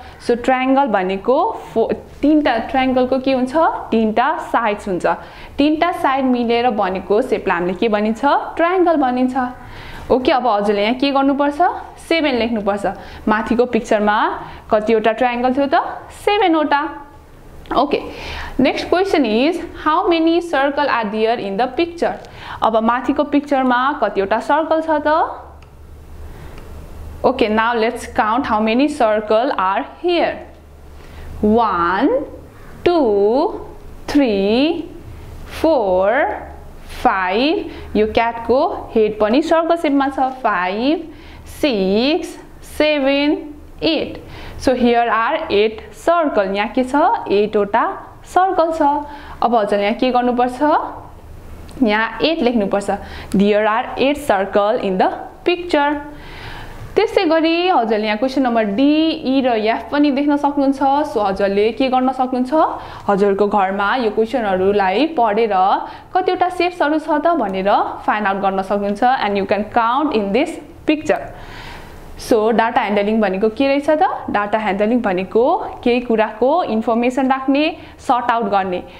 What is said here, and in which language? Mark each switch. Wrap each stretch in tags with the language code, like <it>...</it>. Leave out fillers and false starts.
<ne>So triangle भनेको तिनवटा ट्राइङ्गलको के हुन्छ, तिनवटा साइड्स हुन्छ. तिनवटा साइड मिलेर भनेको सेपलाई हामीले के भनिन्छ, ट्राइङ्गल भनिन्छ. ओके, अब हजुरले यहाँ के गर्नुपर्छ, सेभेन लेख्नुपर्छ. माथिको पिक्चरमा कतिवटा ट्राइङ्गल थियो त, सेभेनवटा.</ne> <en>Okay, next question is how many circle are there in the picture.</en> <ne>अब माथिको पिक्चरमा कतिवटा सर्कल छ त.</ne> <en>Okay, now let's count how many circle are here. One two three four five,</en> <ne>यो क्याटको हेड पनि सर्कल सेपमा छ.</ne> <en>Five six seven eight, so here are eight circle.</en> <ne>यहाँ के छ, एटवटा सर्कल छ. अब हजुर यहाँ के गर्नुपर्छ, यहाँ एट लेख्नुपर्छ.</ne> <en>There are eight circle in the picture.</en> <ne>त्यसै गरी हजुरले यहाँ क्वेसन नम्बर डी, ई र एफ पनि देख्न सक्नुहुन्छ. सो हजुरले के गर्न सक्नुहुन्छ, हजुरको घरमा यो क्वेसनहरूलाई पढेर कतिवटा सेप्सहरू छ त भनेर फाइन्ड आउट गर्न सक्नुहुन्छ.</ne> <en>And you can count in this picture.</en> <ne>So data handling भनेको के रहेछ त, डाटा ह्यान्डलिङ भनेको केही कुराको इन्फर्मेसन राख्ने, सर्ट आउट गर्ने.</ne>